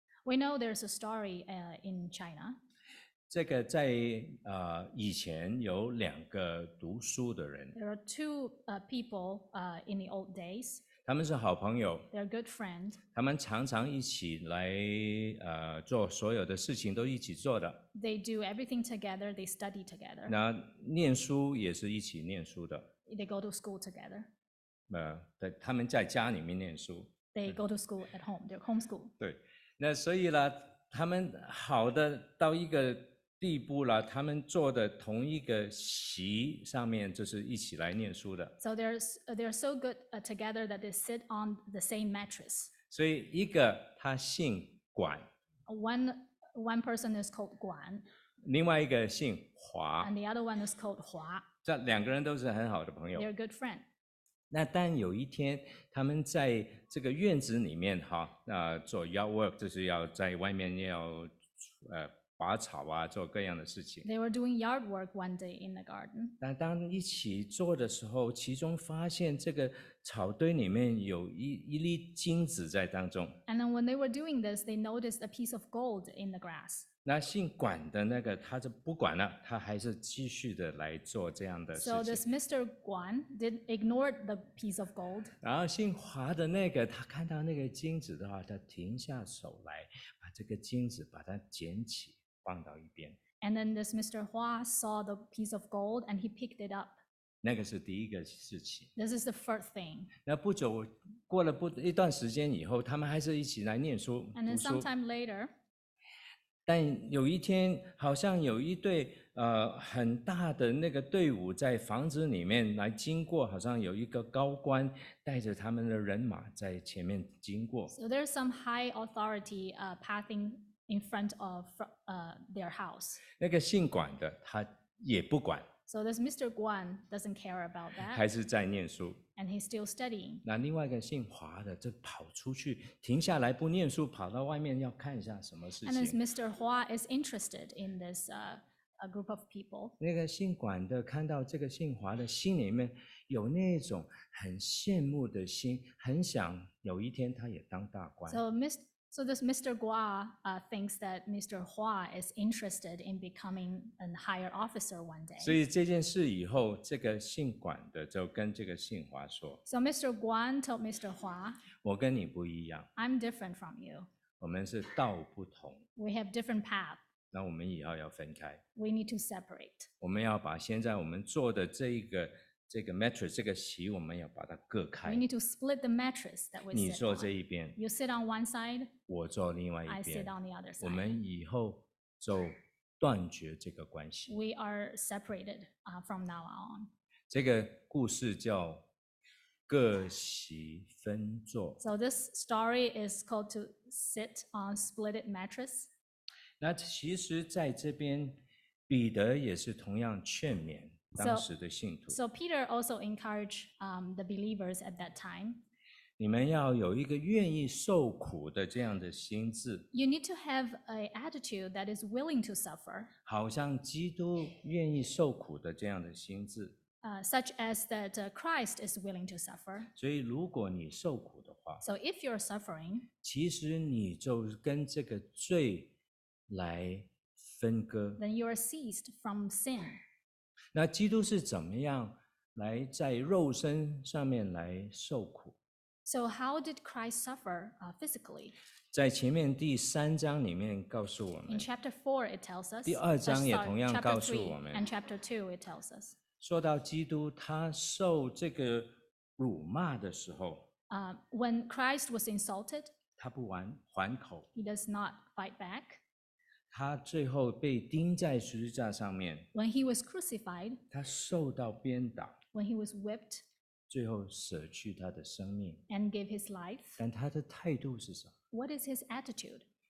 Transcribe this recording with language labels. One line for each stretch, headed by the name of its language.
English: We know there's a story in China.
Chinese: 这个在以前有两个读书的人。
English: There are two people in the old days.
Chinese: 他们是好朋友。
English: They're good friends.
Chinese: 他们常常一起来做所有的事情都一起做的。
English: They do everything together. They study together.
Chinese: 那念书也是一起念书的。
English: They go to school together.
Chinese: 他们在家里面念书。
English: They go to school at home. They're homeschool.
Chinese: 对，那所以呢，他们好的到一个地步了，他们坐的同一个席上面，就是一起来念书的。
English: So they're so good together that they sit on the same mattress.
Chinese: 所以一个他姓管。
English: One person is called Guan.
Chinese: 另外一个姓华。
English: And the other one is called Hua.
Chinese: 这两个人都是很好的朋友。
English: They're a good friend.
Chinese: 那但有一天，他们在这个院子里面哈，做 yard work， 就是要在外面要拔草啊，做各样的事情。
English: They were doing yard work one day in the garden.
Chinese: 但当一起做的时候，其中发现这个草堆里面有一粒金子在当中。
English: And then when they were doing this, they noticed a piece of gold in the grass.
Chinese: 那姓管的那个他就不管了，他还是继续的来做这样的事情。
English: So this Mr. Guan did ignore the piece of gold.
Chinese: 然后姓华的那个他看到那个金子的话，他停下手来，把这个金子把它捡起。放到一边。
English: And then this Mr. Hua saw the piece of gold and he picked it up.
Chinese: 那个是第一个事情。
English: This is the first thing.
Chinese: 那不久过了一段时间以后，他们还是一起来念书。
English: And then sometime later.
Chinese: 但有一天，好像有一队很大的那个队伍在房子里面来经过，好像有一个高官带着他们的人马在前面经过。
English: So there's some high authority passing. In front of their house.
Chinese: 那个姓管的他也不管。
English: So this Mr. Guan doesn't care about that.
Chinese: 还是在念书。
English: And he's still studying.
Chinese: 那另外一个姓华的就跑出去，停下来不念书，跑到外面要看一下什么事情。
English: And this Mr. Hua is interested in this group of people.
Chinese: 那个姓管的看到这个姓华的心里面有那种很羡慕的心，很想有一天他也当大官。
English: So this Mr. Gua thinks that Mr. Hua is interested in becoming a higher officer one day.
Chinese: 所以这件事以后，这个姓管的就跟这个姓华说。
English: So Mr. Guan told Mr. Hua.
Chinese: 我跟你不一样。
English: I'm different from you.
Chinese: 我们是道不同。
English: We have different path.
Chinese: 那我们以后要分开。
English: We need to separate.
Chinese: 我们要把现在我们做的这个 mattress 这个席我们要把它割开。
English: We need to split the mattress that we sit on.
Chinese: 你坐这一边。
English: You sit on one side.
Chinese: 我坐另外一边。
English: I sit on the other side.
Chinese: 我们以后就断绝这个关系。
English: We are separated from now on.
Chinese: 这个故事叫各席分坐。
English: So this story is called to sit on split mattress.
Chinese: 那其实在这边彼得也是同样劝勉。当时的信徒。
English: So Peter also encouraged the believers at that time.
Chinese: 你们要有一个愿意受苦的这样的心志。
English: You need to have an attitude that is willing to suffer.
Chinese: 好像基督愿意受苦的这样的心志。
English: Such as that Christ is willing to suffer.
Chinese: 所以如果你受苦的话，
English: So if you're suffering,
Chinese: 其实你就跟这个罪来分割。
English: Then you are seized from sin.
Chinese: 那基督是怎么样来在肉身上面来受苦？
English: So how did Christ suffer physically?
Chinese: 在前面第三章里面告诉我们。
English: In chapter 4 it tells us.
Chinese: 第二章也同样告诉我们。
English: And chapter 2 it tells us.
Chinese: 说到基督他受这个辱骂的时候，
English: When Christ was insulted,
Chinese: 他不还口，
English: He does not fight back.
Chinese: 他最后被钉在十字架上面，
English: When he was crucified,
Chinese: 他受到鞭打，
English: When he was whipped,
Chinese: 最后舍去他的生命，
English: And gave his life.
Chinese: 但他的态度是什么？
English: What is his attitude?